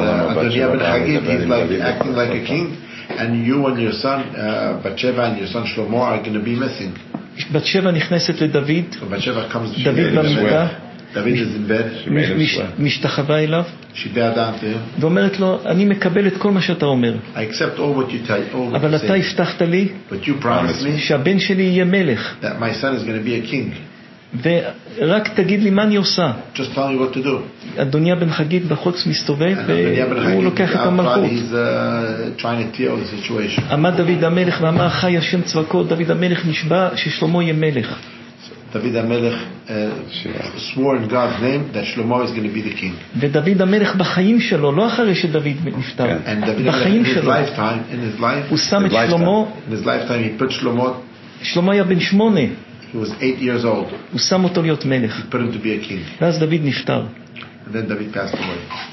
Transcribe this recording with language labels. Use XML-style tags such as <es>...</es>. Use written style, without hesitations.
<en>אדוניה בן חגית, acting like a king, and you and your son בת שבע and your son שלמה are going to be missing.</en> <he>בת שבע נכנסת לדוד, דוד במיטה,</he> <en>דוד is in bed,</en> <he>משתחווה אליו,</he> <en>she bowed down to him,</en> <he>ואומרת לו, אני מקבל את כל מה שאתה אומר,</he> <en>I accept all what you tell, all</en> <he>אבל אתה הבטחת לי,</he> <en>but you promised me,</en> <he>שהבן שלי יהיה מלך,</he> <en>that my son is going to be a king,</en> <he>ורק תגיד לי מה אני עושה,</he> <en>just tell me what to do.</en> <he>אדוניה בן חגית בחוץ מסתובב והוא לוקח את המלכות.</he> <en>He's trying to tear the situation.</en> <he>עמד דוד המלך ואמר, חי השם צבקות, דוד המלך נשבע ששלמה יהיה מלך.</he> <en>דוד המלך swore in God's name that Shlomo is going to be the king.</en> <he>ודוד המלך בחיים שלו, לא אחרי שדוד נפטר, בחיים שלו,</he> <en>in his life,</en> <he>הוא שם את שלמה,</he> <en>in his lifetime he put Shlomo,</en> <he>שלמה היה בן 8,</he> <en>he was 8 years old,</en> <he>הוא שם אותו להיות מלך,</he> <en>he put him to be a king.</en> <he>ואז דוד נפטר.</he> <en>And then David passed away.</en>